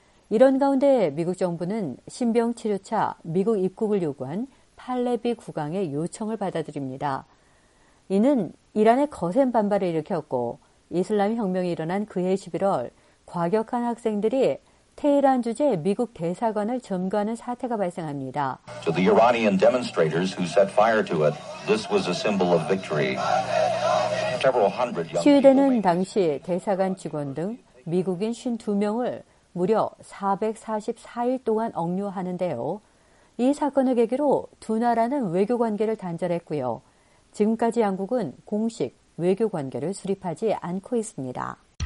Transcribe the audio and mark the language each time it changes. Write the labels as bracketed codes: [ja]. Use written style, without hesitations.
[ko] 이런 가운데 미국 정부는 신병 치료차 미국 입국을 요구한 팔레비 국왕의 요청을 받아들입니다. 이는 이란의 거센 반발을 일으켰고 이슬람 혁명이 일어난 그해 11월 과격한 학생들이 테헤란 주재 미국 대사관을 점거하는 사태가 발생합니다. [en] To the Iranian demonstrators who set fire to it, this was a symbol of victory. Several hundred young. [ko] 시위대는 당시 대사관 직원 등 미국인 52명을 무려 444일 동안 억류하는데요. 이 사건을 계기로 두 나라는 외교 관계를 단절했고요. 지금까지 양국은 공식 외교 관계를 수립하지 않고 있습니다.